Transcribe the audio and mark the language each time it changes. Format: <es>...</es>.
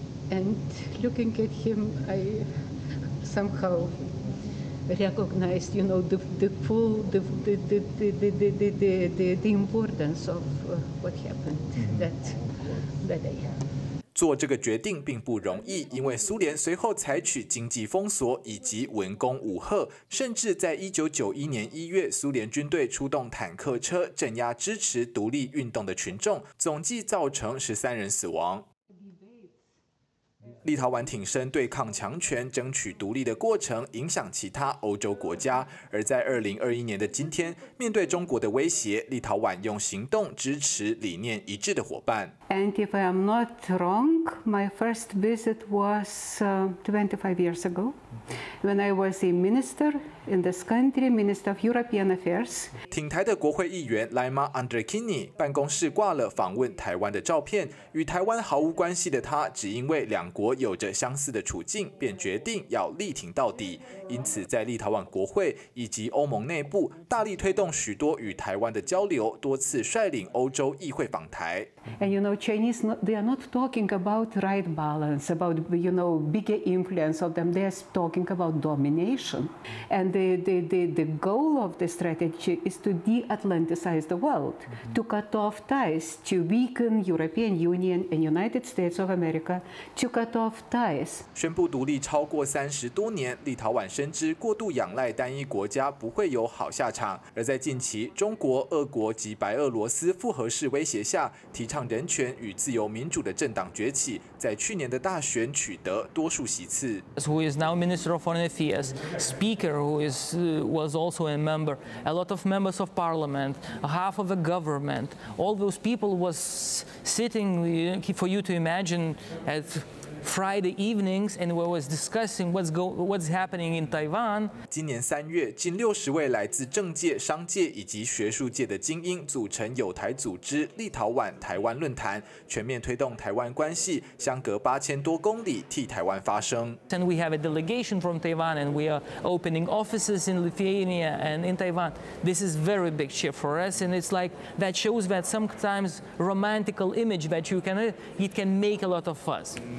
<en>And looking at him, I somehow recognized, you know, the full importance of what happened that day.</en> <zh>做这个决定并不容易，因为苏联随后采取经济封锁以及文攻武吓，甚至在1991年1月，苏联军队出动坦克车镇压支持独立运动的群众，总计造成13人死亡。立陶宛挺身对抗强权、争取独立的过程影响其他欧洲国家，而在2021年的今天，面对中国的威胁，立陶宛用行动支持理念一致的伙伴。</zh> <en>And if I am not wrong, my first visit was 25 years ago, when I was a minister in this country, Minister of European Affairs.</en> <zh>挺台的国会议员 Lima Andrekini 办公室挂了访问台湾的照片，与台湾毫无关系的他，只因为两国有着相似的处境，便决定要力挺到底。因此，在立陶宛国会以及欧盟内部，大力推动许多与台湾的交流，多次率领欧洲议会访台。</zh> <en>And you know, Chinese, they are not talking about right balance, about, you know, bigger influence of them. They are talking about domination. And the goal of the strategy is to de-Atlanticize the world, to cut off ties, to weaken European Union and United States of America, to cut off ties.</en> <zh>宣布独立超过30多年，立陶宛深知过度仰赖单一国家不会有好下场。而在近期，中国、俄国及白俄罗斯复合式威胁下，提倡人权与自由民主的政党崛起，在去年的大选取得多数席次。</zh> <en>Who is now Minister of Foreign Affairs, Speaker, who is was also a member, a lot of members of Parliament, half of the government, all those people was sitting for you to imagine at Friday evenings and we was discussing what's happening in Taiwan.</en> <zh>今年三月，近60位来自政界、商界以及学术界的精英组成友台组织立陶宛台湾论坛，全面推动台湾关系，相隔8000多公里替台湾发声。</zh> <en>And we have a delegation from Taiwan and we are opening offices in Lithuania and in Taiwan. This is very big shift for us and it's like that shows that sometimes romantical image that you can it can make a lot of fuss.</en>